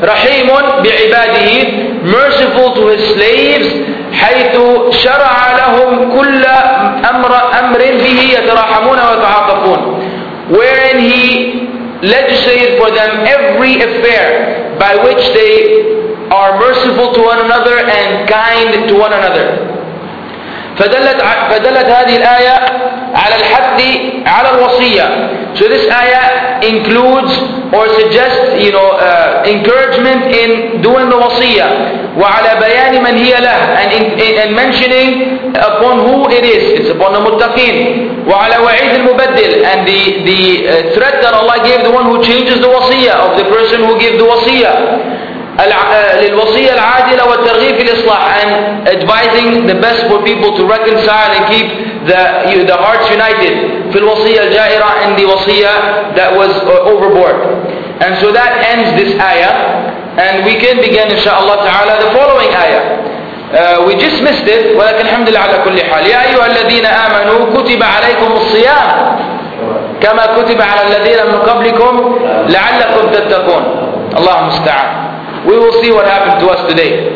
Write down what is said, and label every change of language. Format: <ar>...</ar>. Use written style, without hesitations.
<ar>رَحِيمٌ بِعِبَادِهِ,</ar> <en>merciful to his slaves,</en> <ar>حَيْثُ شَرَعَ لَهُمْ كُلَّ أَمْرٍ بِهِ يَتَرَاحَمُونَ وَيَتَعَاطَفُونَ,</ar> <en>wherein he legislated for them every affair by which they are merciful to one another and kind to one another.</en> <ar>فدلت هذه الآية على الحد على الوصية.</ar> <en>So this ayah includes or suggests, you know, encouragement in doing the wasiya.</en> <ar>وعلى بيان من هي له,</ar> <en>and mentioning upon who it is. It's upon the muttaqin.</en> <ar>وعلى وعيد المبدل,</ar> <en>and the threat that Allah gave the one who changes the wasiya of the person who gave the wasiya.</en> <ar>للوصية العادلة والترغيب في الإصلاح,</ar> <en>and advising the best for people to reconcile and keep the hearts united.</en> <ar>في الوصية الجائرة,</ar> <en>in the wasiya that was overboard. And so that ends this ayah, and we can begin inshaAllah ta'ala the following ayah. We just missed it,</en> <ar>ولكن الحمد لله على كل حال. يا أيها الذين آمنوا كتب عليكم الصيام كما كتب على الذين من قبلكم لعلكم تتقون. اللهم استعان.</ar> <en>We will see what happened to us today.</en>